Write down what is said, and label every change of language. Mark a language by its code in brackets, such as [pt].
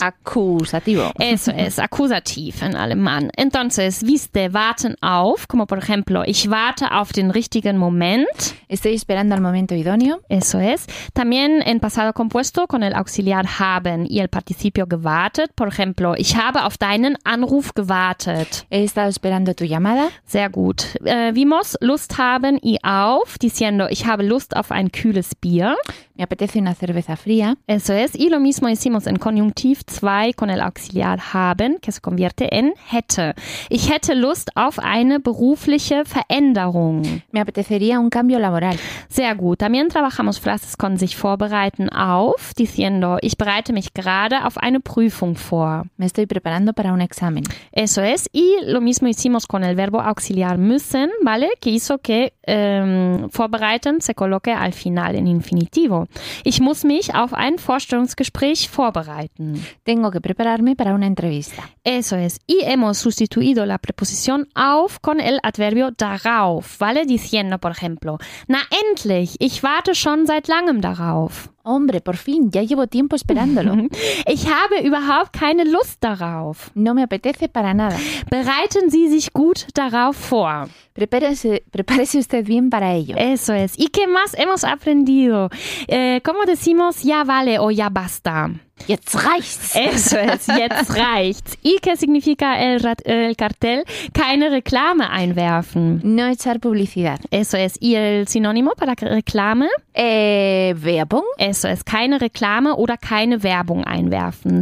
[es] Acusativo. Eso es, akkusativ en alemán. Entonces, viste, [de] warten auf, [es] como por ejemplo, [de] ich warte auf den richtigen Moment. [es] Estoy esperando al momento idóneo. Eso es. También en pasado compuesto con el auxiliar haben y el participio gewartet. Por ejemplo, [de] ich habe auf deinen Anruf gewartet. [es] He estado esperando tu llamada. [de] Sehr gut. Vimos Lust haben y auf, diciendo, ich habe Lust auf ein kühles Bier. [es] Me apetece una cerveza fría. Eso es. Y lo mismo hicimos en Konjunktiv 2 con el auxiliar haben, que se convierte en hätte. [de] Ich hätte Lust auf eine berufliche Veränderung. [es] Me apetecería un cambio laboral. [de] Sehr gut. [es] También trabajamos frases con [de] sich vorbereiten auf, diciendo, ich bereite mich gerade auf eine Prüfung vor. [es] Me estoy preparando para un examen. Eso es. Y lo mismo hicimos con el verbo auxiliar müssen, ¿vale? Que hizo que vorbereiten se coloque al final en infinitivo. [de] Ich muss mich auf ein Vorstellungsgespräch vorbereiten. [es] Tengo que prepararme para una entrevista. Eso es. Y hemos sustituido la preposición auf con el adverbio darauf, ¿vale? Diciendo, por ejemplo, [de] na endlich, ich warte schon seit langem darauf. [es] Hombre, por fin, ya llevo tiempo esperándolo. [de] Ich habe überhaupt keine Lust darauf. [es] No me apetece para nada. [de] Bereiten Sie sich gut darauf vor. [es] Prepárese usted bien para ello. Eso es. ¿Y qué más hemos aprendido? ¿Cómo decimos ya vale o ya basta? [de] Jetzt reicht's. [es] Eso es, [de] jetzt reicht's. [es] ¿Y qué significa el cartel? [de] Keine Reklame einwerfen. [es] No echar publicidad. Eso es. ¿Y el sinónimo para Reklame? [de] Werbung. [es] Eso es, [de] keine Reklame oder keine Werbung einwerfen.